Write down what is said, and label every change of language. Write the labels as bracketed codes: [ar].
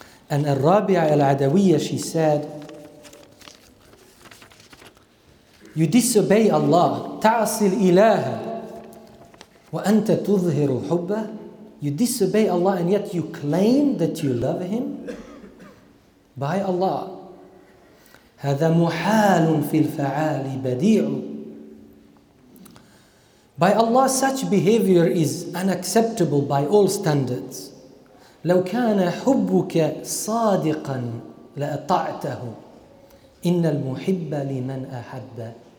[en] And Al-Rabi'a Al-Adawiyya, she said, you disobey Allah, [ar] ta'asil ilaha, wa anta tuzhiru hubba. [en] You disobey Allah and yet you claim that you love Him. By Allah, [ar] هذا محال في الفعال بديع. [en] By Allah, such behavior is unacceptable by all standards. [ar] لو كان حبك صادقا لأطعته. إن المحب لمن أحب